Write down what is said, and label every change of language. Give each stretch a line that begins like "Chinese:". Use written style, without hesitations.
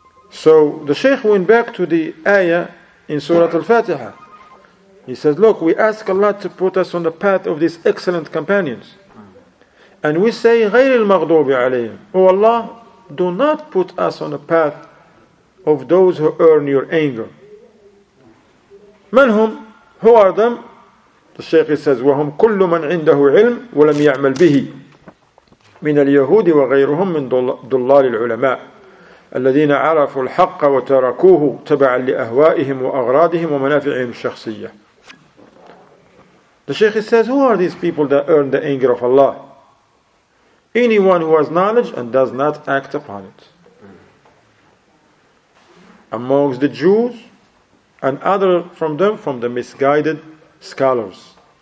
English: So the Shaykh went back to the ayah in Surah Al-Fatiha. He says, look, we ask Allah to put us on the path of these excellent companions. And we say,
Arabic: غير المغضوب عليهم.
English: Oh Allah, do not put us on the path of those who earn your anger.
Arabic: من هم?
English: Who are them? The Shaykh says,
Arabic: وَهُمْ كُلُّ مَنْ عِنْدَهُ عِلْمٌ وَلَمْ يَعْمَلْ بِهِ مِنَ الْيَهُودِ وَغَيْرُهُمْ مِنْ ضُلَّالِ الْعُلَمَاءِ الذين عرفوا الحق وتركوه تبعا لأهوائهم وأغراضهم ومنافعهم الشخصية.
English: The Shaykh says, who are these people that earn the anger of Allah? Anyone who has knowledge and does not act upon it. Amongst the Jews and other from them, from the misguided scholars.